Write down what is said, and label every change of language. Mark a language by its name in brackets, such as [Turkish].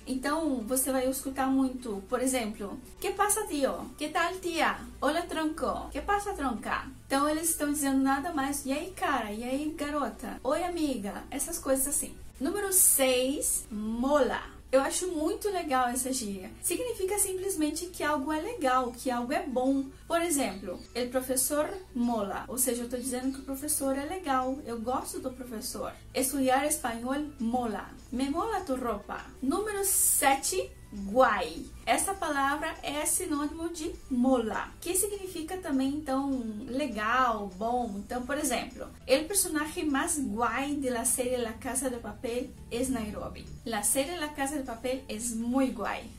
[Portuguese] Então você vai escutar muito, por exemplo, [Spanish] que pasa tio? Que tal tia? Hola tronco. Que pasa tronca? [Portuguese] Então eles estão dizendo nada mais, e aí cara, e aí garota, oi amiga, essas coisas assim. Número 6, mola. Eu acho muito legal essa gíria. Significa simplesmente que algo é legal, que algo é bom. Por exemplo, [Spanish] el profesor mola. [Portuguese] Ou seja, eu estou dizendo que o professor é legal. Eu gosto do professor. [Spanish] Estudiar [Portuguese] espanhol [Spanish] mola. Me mola tu [Portuguese] roupa. Número 7, guay. Essa palavra é sinônimo de mola, que significa também, então, legal, bom. Então, por exemplo, [Spanish] el personaje más guay de la serie La Casa de Papel es Nairobi. La serie La Casa de Papel es muy guay.